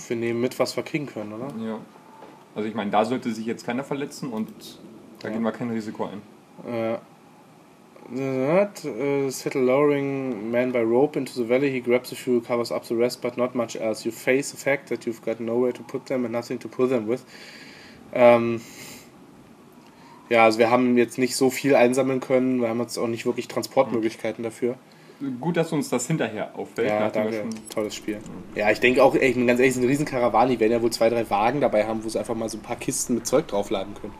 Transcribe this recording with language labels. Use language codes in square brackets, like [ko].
[de] Wir nehmen mit, was wir kriegen können, oder? Ja. Also ich meine, da sollte sich jetzt keiner verletzen und da gehen wir kein Risiko ein. [en] Settle lowering man by rope into the valley. He grabs a few, covers up the rest, but not much else. You face the fact that you've got nowhere to put them and nothing to pull them with. [de] Ja, also wir haben jetzt nicht so viel einsammeln können. Wir haben jetzt auch nicht wirklich Transportmöglichkeiten dafür. Gut, dass uns das hinterher auffällt. Ja, danke. Tolles Spiel. Ja, ich denke auch, ich bin ganz ehrlich, es ist ein Riesenkarawan. Die werden ja wohl 2-3 Wagen dabei haben, wo sie einfach mal so ein paar Kisten mit Zeug draufladen können.